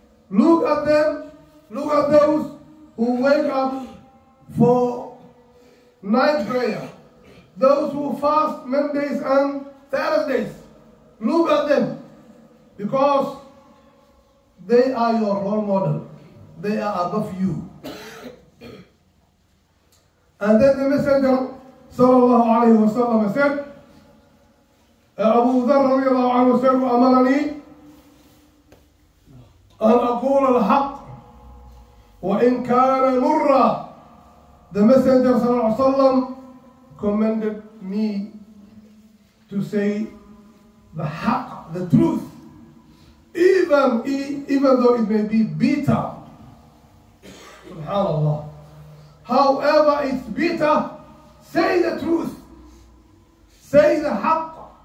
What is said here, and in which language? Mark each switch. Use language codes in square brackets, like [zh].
[en] Look at them. Look at those who wake up for night prayer. Those who fast Mondays and Thursdays. Look at them. Because they are your role model. They are above you. And then the Messenger sallallahu alayhi wa sallam said, [ar] أبو ذر رضي الله عنه سر أمرني أن أقول الحق وإن كان مرا. [en] The Messenger [ar] صلى الله عليه وسلم [en] commanded me to say the حق, the truth, even though it may be bitter. Subhanallah. However it's bitter, say the truth. Say the حق.